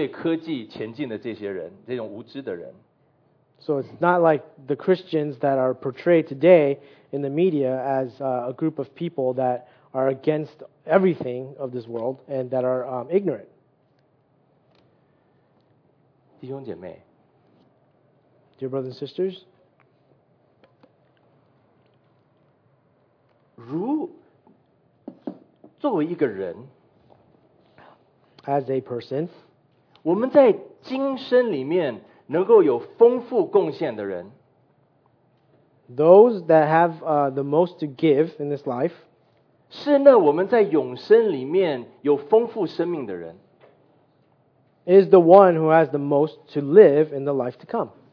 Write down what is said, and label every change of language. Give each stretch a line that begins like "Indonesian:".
Chinese: 好像在美国觉得今天的基督徒都是一群一定要腰间插枪，然后呢，就是反对民主政治、反对科技前进的这些人，这种无知的人。
English: So it's not like the Christians that are portrayed today in the media as a group of people that are against everything of this world and that are ignorant.
Chinese: 弟兄姐妹,
English: dear brothers and sisters,
Chinese: 作为一个人,
English: as a person,
Chinese: 我们在今生里面 能够有丰富贡献的人,
English: those that have the most to give in this life,
Chinese: 是那我们在永生里面有丰富生命的人,
English: is the one who has the most to live in the life to come.